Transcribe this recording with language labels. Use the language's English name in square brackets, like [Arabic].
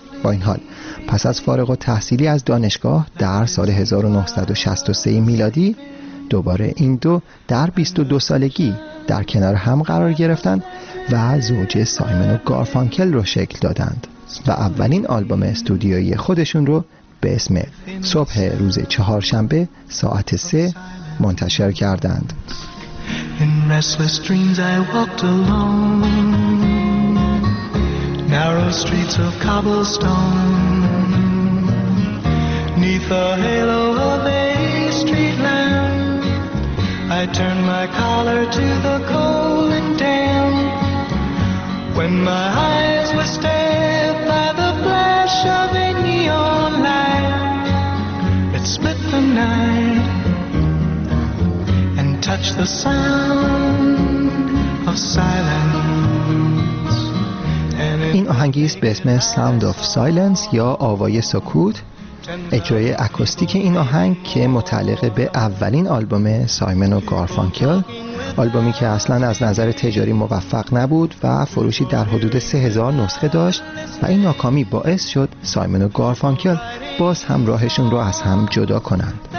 [Persian] با این حال پس از فارغ التحصیلی از دانشگاه در سال 1963 میلادی، دوباره این دو در 22 سالگی در کنار هم قرار گرفتن و زوج سایمون و گارفانکل رو شکل دادند و اولین آلبوم استودیویی خودشون رو به اسم صبح روز چهارشنبه ساعت 3 منتشر کردند. [English] In restless dreams I walked alone, narrow streets of cobblestone, neath the halo of a street lamp, I turned my collar to the cold and damp. When my eyes were stared by the flash of a neon light, it split the night and touched the sound of silence. [Persian] این آهنگیز به اسم Sound of Silence یا آوای سکوت، اجرای اکوستیک این آهنگ که متعلق به اولین آلبوم سایمون و گارفانکل، آلبومی که اصلا از نظر تجاری موفق نبود و فروشی در حدود 3000 نسخه داشت و این ناکامی باعث شد سایمون و گارفانکل باز هم راهشون رو از هم جدا کنند.